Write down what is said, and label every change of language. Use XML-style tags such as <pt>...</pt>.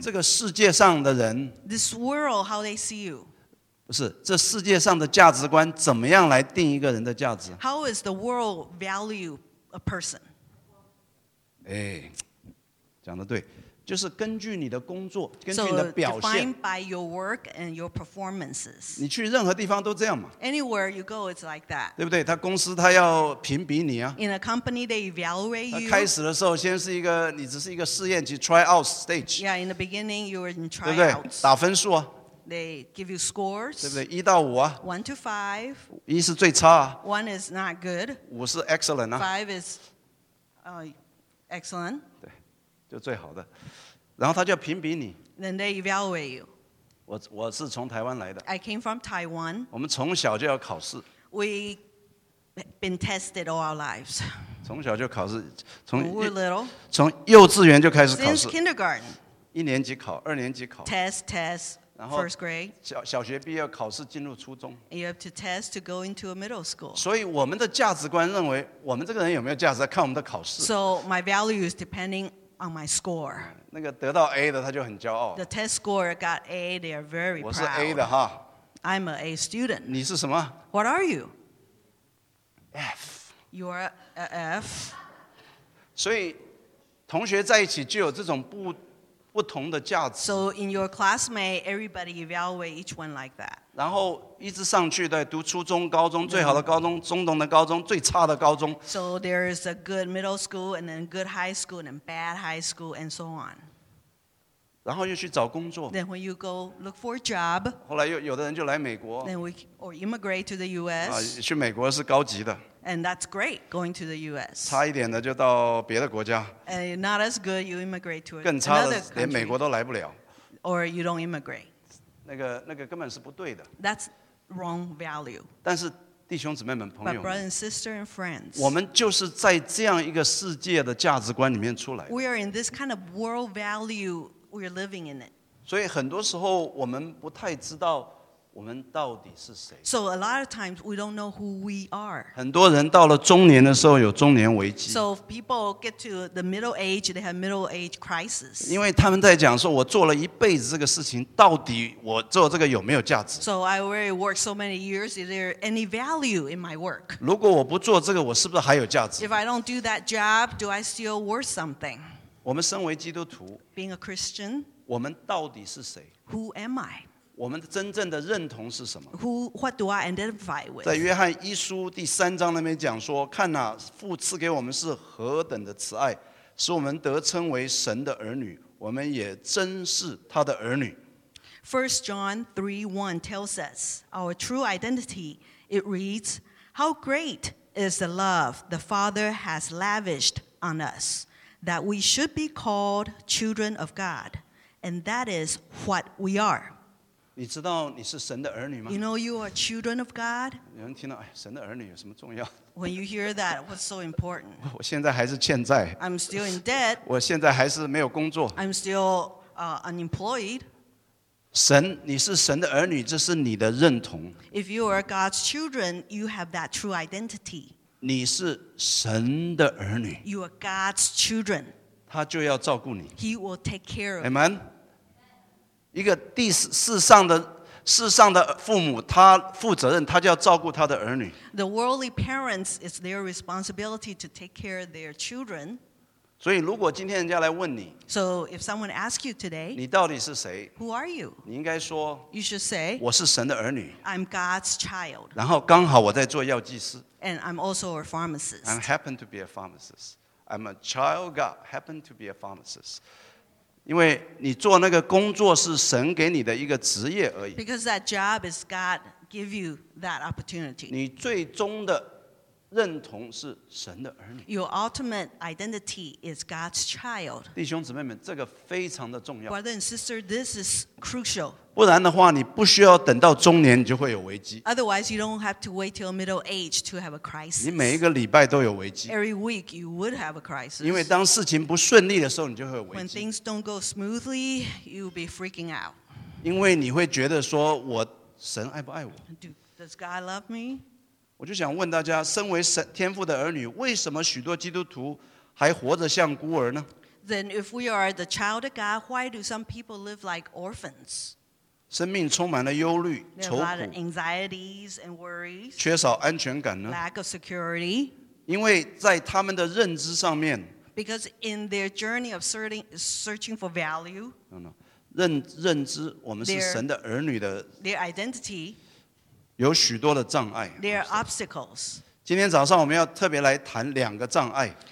<zh>这个世界上的人，</zh> <en>This world, how they see you?</en> <zh>不是，这世界上的价值观怎么样来定一个人的价值？</zh> <en>How is the world value a person?</en> <zh>哎，讲得对。就是根据你的工作，根据你的表现。</zh> <en>So defined by your work and your performances.</en> <zh>你去任何地方都这样嘛。</zh> <en>Anywhere you go, it's like that.</en> <zh>对不对？他公司他要评比你啊。</zh> <en>In a company, they evaluate you.</en> <zh>开始的时候先是一个，你只是一个试验期 ，</zh> <en>try out stage. Yeah, in the beginning, you were in tryouts.</en> <zh>对不对？打分数啊。</zh> <en>They give you scores.</en> <zh>对不对？一到五啊。</zh> <en>One to five.</en> <zh>一是最差啊。</zh> <en>One is not good.</en> <zh>五是 excellent 啊。</zh> <en>Five is, excellent.</en> <zh>对。就最好的，然后他就要评比你。</zh> <en>Then they evaluate you.</en> <zh>我是从台湾来的。</zh> <en>I came from Taiwan.</en> <zh>我们从小就要考试。</zh> <en>We've been tested all our lives.</en> <zh>从小就考试，从</zh> <en>We were little.</en> <zh>从幼稚园就开始考试。</zh> <en>Since kindergarten.</en> <zh>一年级考，二年级考。</zh> <en>Test. First grade.</en> <zh>小学毕业考试进入初中。</zh> <en>You have to test to go into a middle school.</en> <zh>所以我们的价值观认为，我们这个人有没有价值，看我们的考试。</zh> <en>So my value is depending. On my score.</en> <zh>那个得到 A 的他就很骄傲。</zh> <en>The test score got A, they are very proud.</en> <zh>我是 A 的哈。</zh> <en>I'm an A student. 你是什么？ What are you? F. You are a F.</en> <zh>所以同学在一起就有这种不同的价值。</zh> <en>So in your classmate, everybody evaluate each one like that.</en> <zh>然后一直上去，对，读初中、高中，最好的高中、中等的高中、最差的高中。</zh> <en>So there is a good middle school, and then good high school, and then bad high school, and so on.</en> <zh>然后又去找工作。</zh> <en>Then when you go look for a job.</en> <zh>后来又有的人就来美国。</zh> <en>Then we or immigrate to the U.S.</en> <zh>啊，去美国是高级的。</zh> <en>And that's great, going to the U.S.</en> <zh>差一点的就到别的国家。</zh> <en>And not as good, you immigrate to another country.</en> <zh>更差的，连美国都来不了。</zh> <en>Or you don't immigrate.</en> <zh>那个根本是不对的。</zh> <en>That's wrong value.</en> <zh>但是弟兄姊妹们、朋友们</zh> <en>，But brothers and sisters and friends, 我们就是在这样一个世界的价值观里面出来。 We are in this kind of world value. We're living in it.</en> <zh>所以很多时候我们不太知道。我们到底是谁？</zh> <en>So a lot of times we don't know who we are.</en> <zh>很多人到了中年的时候有中年危机。</zh> <en>So people get to the middle age, they have middle age crisis.</en> <zh>因为他们在讲说，我做了一辈子这个事情，到底我做这个有没有价值？</zh> <en>So I already worked so many years. Is there any value in my work?</en> <zh>如果我不做这个，我是不是还有价值？</zh> <en>If I don't do that job, do I still worth something?</en> <zh>我们身为基督徒，</zh> <en>being a Christian,</en> <zh>我们到底是谁？</zh> <en>Who am I?</en> <zh>我们真正的认同是什么？</zh> <en>What do I identify with?</en> <zh>在约翰一书第三章那边讲说，看哪，父赐给我们是何等的慈爱，使我们得称为神的儿女，我们也真是他的儿女。</zh> <en>1 John 3:1 tells us our true identity. It reads, How great is the love the Father has lavished on us, that we should be called children of God, and that is what we are.</en> <zh>你知道你是神的儿女吗？</zh> <en>You know you are children of God.</en> <zh>有人听到，哎，神的儿女有什么重要？</zh> <en>When you hear that, what's so important?</en> <zh>我现在还是欠债。</zh> <en>I'm still in debt.</en> <zh>我现在还是没有工作。</zh> <en>I'm still unemployed.</en> <zh>神，你是神的儿女，这是你的认同。</zh> <en>If you are God's children, you have that true identity.</en> <zh>你是神的儿女。</zh> <en>You are God's children.</en> <zh>他就要照顾你。</zh> <en>He will take care of you. Amen.</en> <zh>一个第世上的父母，他负责任，他就要照顾他的儿女。</zh> <en>The worldly parents is their responsibility to take care of their children.</en> <zh>所以，如果今天人家来问你</zh> <en>，So if someone asks you today,</en> <zh>你到底是谁</zh> <en>？Who are you?</en> <zh>你应该说</zh> <en>，You should say,</en> <zh>我是神的儿女。</zh> <en>I'm God's child.</en> <zh>然后刚好我在做药剂师。</zh> <en>And I'm also a pharmacist. I happen to be a pharmacist. I'm a child of God. Happen to be a pharmacist.</en> <zh>因为你做那个工作是神给你的一个职业而已。</zh> <en>Because that job is God give you that opportunity.</en> <zh>你最终的认同是神的儿女。</zh> <en>Your ultimate identity is God's child.</en> <zh>弟兄姊妹们，这个非常的重要。</zh> <en>Brother and sister, this is crucial.</en> <zh>不然的话，你不需要等到中年，你就会有危机。</zh> <en>Otherwise, you don't have to wait till middle age to have a crisis.</en> <zh>你每一个礼拜都有危机。</zh> <en>Every week you would have a crisis.</en> <zh>因为当事情不顺利的时候，你就会有危机。</zh> <en>When things don't go smoothly, you'll be freaking out.</en> <zh>因为你会觉得说，我神爱不爱我？</zh> <en>Does God love me?</en> <zh>我就想问大家，身为神天父的儿女，为什么许多基督徒还活着像孤儿呢？</zh> <en>Then if we are the child of God, why do some people live like orphans?</en> <zh>生命充满了忧虑、愁苦。</zh> <en>There are a lot of anxieties and worries.</en> <zh>缺少安全感呢？</zh> <en>Lack of security.</en> <zh>因为在他们的认知上面。</zh> <en>Because in their journey of searching for value. No.</en> <zh>认知，我们是神的儿女的。</zh> <en>Their identity.</en> <zh>有许多的障碍。</zh> <en>There are obstacles.</en> <zh>今天早上我们要特别来谈两个障碍。</zh>